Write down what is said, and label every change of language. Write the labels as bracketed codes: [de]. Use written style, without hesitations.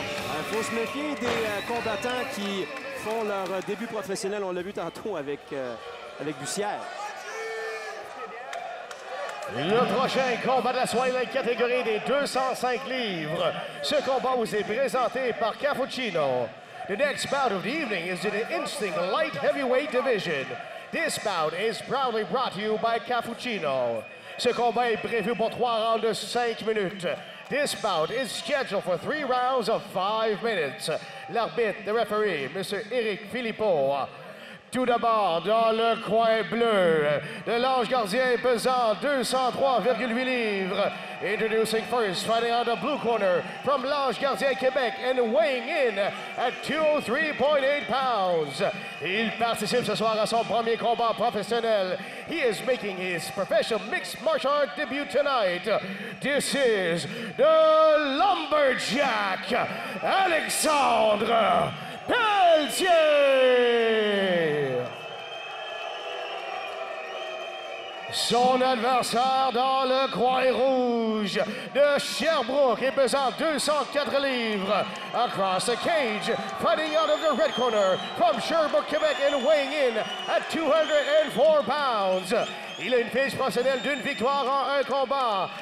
[fr] Il faut se méfier des combattants qui font leur début professionnel. On l'a vu tantôt avec Bussière. Le prochain combat de la soirée dans la catégorie des 205 livres. Ce combat vous est présenté par Cappuccino. [en] The next bout of the evening is in the interesting light heavyweight division. This bout is proudly brought to you by Cappuccino. [fr] Ce combat est prévu pour 3 rounds de 5 minutes. [en] This bout is scheduled for 3 rounds of 5 minutes. [fr] L'arbitre, le referee, Mr. Eric Philippot. Tout d'abord, dans le coin bleu, de l'ange gardien pesant 203,8 livres. [en] Introducing first, fighting out of the blue corner, from l'ange gardien Québec, and weighing in at 203.8 pounds. [fr] Il participe ce soir à son premier combat professionnel. [en] He is making his professional mixed martial art debut tonight. This is the Lumberjack, Alexandre Pelletier! [fr] Son adversaire dans le coin rouge de Sherbrooke est pesant 204 livres. [en] Across the cage, fighting out of the red corner from Sherbrooke, Quebec, and weighing in at 204 pounds. [fr] Il a une fiche professionnelle d'une victoire en un combat.